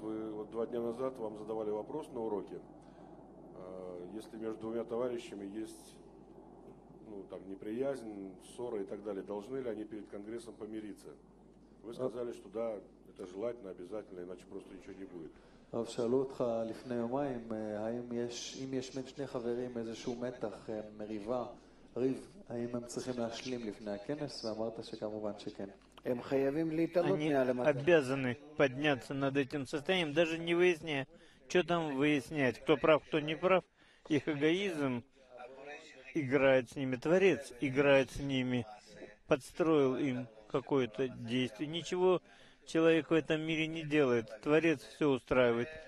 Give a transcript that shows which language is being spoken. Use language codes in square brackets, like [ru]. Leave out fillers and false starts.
[ru] Вы вот два дня назад вам задавали вопрос на уроке. Если между двумя товарищами есть... ну, там, неприязнь, ссора и так далее. Должны ли они перед Конгрессом помириться? Вы сказали, что да, это желательно, обязательно, иначе просто ничего не будет. [he] Рав, шалу утха лифне йомаим, האם יש, אם יש מן שני חברים איזשהו מתח, מריבה, ריב, האם הם צריכים להשלים לפני הכנס? ואמרת שכמובן שכן. הם חייבים להתעלות מעל המתח. [ru] Они обязаны подняться над этим состоянием, даже не выясняя, что там выяснять, кто прав, кто не прав. Их эгоизм играет с ними, Творец играет с ними, подстроил им какое-то действие. Ничего человек в этом мире не делает, Творец все устраивает.